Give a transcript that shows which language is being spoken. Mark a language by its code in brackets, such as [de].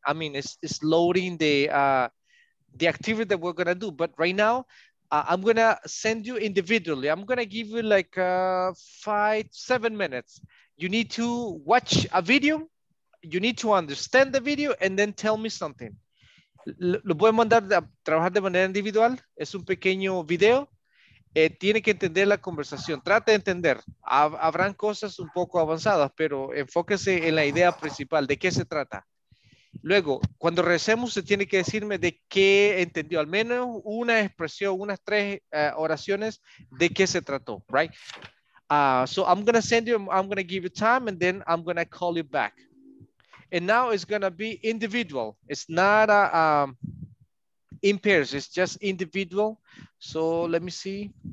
[en] I mean, it's loading the activity that we're gonna do. But right now, I'm gonna send you individually. I'm gonna give you like 5-7 minutes. You need to watch a video. You need to understand the video and then tell me something. [es] Lo pueden mandar a trabajar de manera individual. Es un pequeño video. Tiene que entender la conversación. Trate de entender. Habrán cosas un poco avanzadas, pero enfóquese en la idea principal. ¿De qué se trata? Luego, cuando regresemos, se tiene que decirme de qué entendió. Al menos una expresión, unas tres oraciones, de qué se trató. [en] Right? So I'm going to send you, I'm going to give you time, and then I'm going to call you back. And now it's going to be individual. It's not in pairs. It's just individual. So let me see.